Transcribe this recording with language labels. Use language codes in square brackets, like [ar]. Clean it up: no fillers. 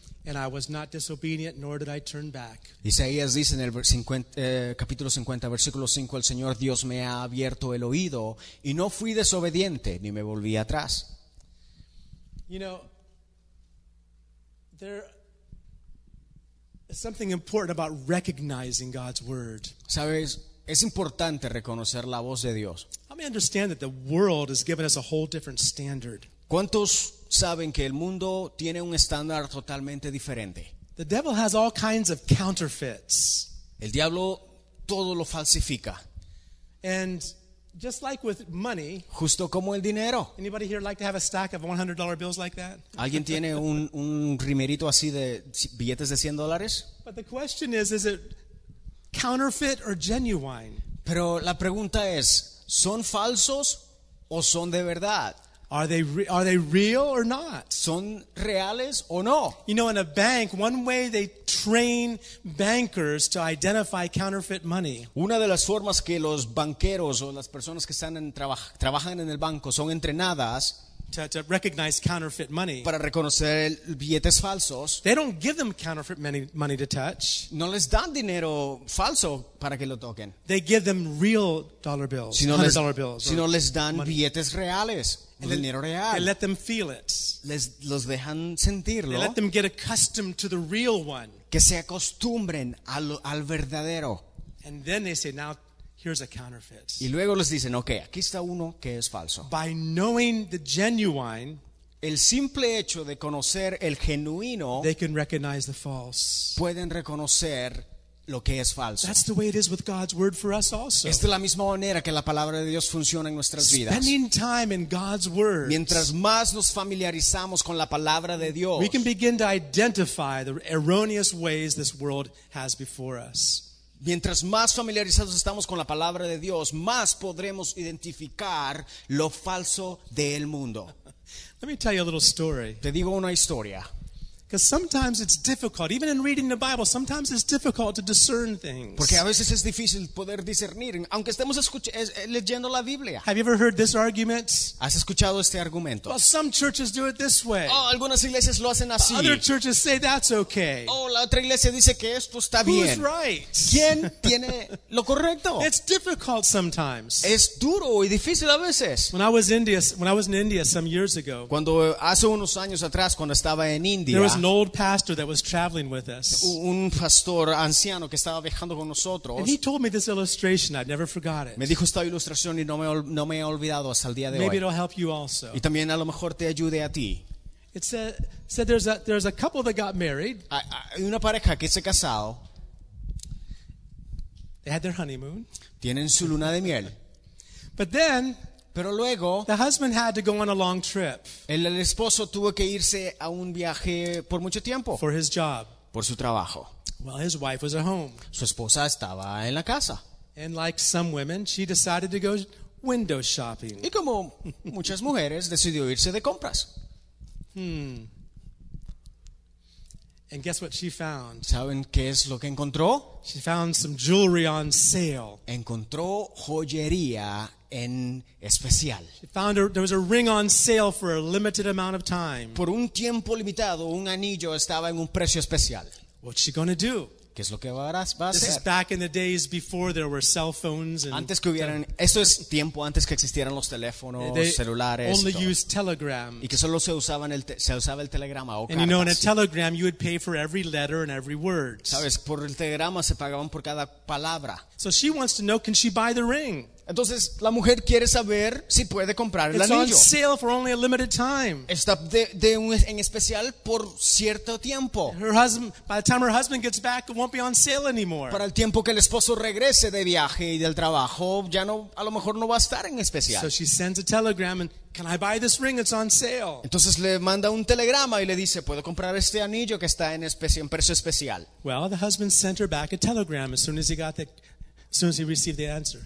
[en] And I was not disobedient, nor did I turn back. [es] Isaías dice en el capítulo 50, versículo 5, el Señor Dios me ha abierto el oído y no fui desobediente ni me volví atrás. [en] You know, there is something important about recognizing God's word. [es] ¿Sabes? Es importante reconocer la voz de Dios. [en] How many understand that the world has given us a whole different standard? [es] ¿Cuántos saben que el mundo tiene un estándar totalmente diferente? [en] The devil has all kinds of counterfeits. [es] El diablo todo lo falsifica. [en] And just like with money, [es] justo como el dinero. [en] Anybody here like to have a stack of $100 bills like that? [es] ¿Alguien tiene un rimerito así de billetes de $100? [en] But the question is it counterfeit or genuine? [es] Pero la pregunta es, ¿son falsos o son de verdad? [en] Are they real or not? [es] ¿Son reales o no? [en] You know, in a bank, one way they train bankers to identify counterfeit money. [es] Una de las formas que los banqueros o las personas que están trabajan en el banco son entrenadas [en] to recognize counterfeit money. [es] Para reconocer billetes falsos. [en] They don't give them counterfeit money to touch. [es] No les dan dinero falso para que lo toquen. [en] They give them real dollar bills, $100 bills. [es] Sino les dan money. Billetes reales. El dinero real. [en] They let them feel it. [es] Los dejan sentirlo. [en] They let them get accustomed to the real one. [es] Que se acostumbren al verdadero. [en] And then they say, now here's a counterfeit. [es] Y luego les dicen, okay, aquí está uno que es falso. [en] By knowing the genuine, [es] el simple hecho de conocer el genuino, [en] they can recognize the false. [es] Pueden reconocer lo que es falso. [en] That's the way it is with God's word for us also. [es] Es de la misma manera que la palabra de Dios funciona en nuestras vidas. [en] Spending time in God's word. [es] Mientras más nos familiarizamos con la palabra de Dios, [en] we can begin to identify the erroneous ways this world has before us. [es] Mientras más familiarizados estamos con la palabra de Dios, más podremos identificar lo falso del mundo. [en] Let me tell you a little story. [es] Te digo una historia. [en] Because sometimes it's difficult, even in reading the Bible, sometimes it's difficult to discern things. [es] Porque a veces es difícil poder discernir, aunque estemos leyendo la Biblia. [en] Have you ever heard this argument? [es] ¿Has escuchado este argumento? [en] Well, some churches do it this way. [es] Oh, algunas iglesias lo hacen así. [en] Other churches say that's okay. [es] Oh, la otra iglesia dice que esto está bien. [en] Who's right? [es] ¿Quién tiene lo correcto? [en] It's difficult sometimes. [es] Es duro y difícil a veces. [en] When I was in India some years ago. [es] Cuando hace unos años atrás, cuando estaba en India. [en] An old pastor that was traveling with us. [es] Un pastor anciano que estaba viajando con nosotros. [en] And he told me this illustration. I've never forgot it. [es] Me dijo esta ilustración y no me he olvidado hasta el día de hoy. [en] Maybe it'll help you also. [es] Y también a lo mejor te ayude a ti. [en] It said there's a couple that got married. [es] Hay una pareja que se casó. [en] They had their honeymoon. [es] Tienen su luna de miel. [en] But then. [es] Pero luego, [en] the husband had to go on a long trip. [es] El esposo tuvo que irse a un viaje por mucho tiempo. [en] For his job. [es] Por su trabajo. [en] Well, his wife was at home. [es] Su esposa estaba en la casa. [en] And like some women, she decided to go window shopping. [es] Y como muchas mujeres, decidió irse de compras. [en] And guess what she found? [es] ¿Saben qué es lo que encontró? [en] She found some jewelry on sale. [es] Encontró joyería en especial. [en] She found there was a ring on sale for a limited amount of time. [es] Por un tiempo limitado, un anillo estaba en un precio especial. [en] What's she going to do? [es] ¿Qué es lo que va a hacer? [en] This is back in the days before there were cell phones. [es] Esto es tiempo antes que existieran los teléfonos, [en] they [es] celulares. [en] Only used telegrams. [es] Y que solo se usaba el telegrama o cartas. [en] You know, in a telegram, you would pay for every letter and every word. [es] Sabes, por el telegrama se pagaban por cada palabra. [en] So she wants to know, can she buy the ring? [es] Entonces la mujer quiere saber si puede comprar el [en] It's [es] anillo. [en] It's on sale for only a limited time. [es] Está en especial por cierto tiempo. [en] Her husband, by the time her husband gets back, it won't be on sale anymore. [es] Para el tiempo que el esposo regrese de viaje y del trabajo, ya no, a lo mejor no va a estar en especial. [en] So she sends a telegram and can I buy this ring? It's on sale. [es] Entonces le manda un telegrama y le dice, ¿puedo comprar este anillo que está en especial, en precio especial? [en] Well, the husband sent her back a telegram as soon as he got the As soon as he received the answer,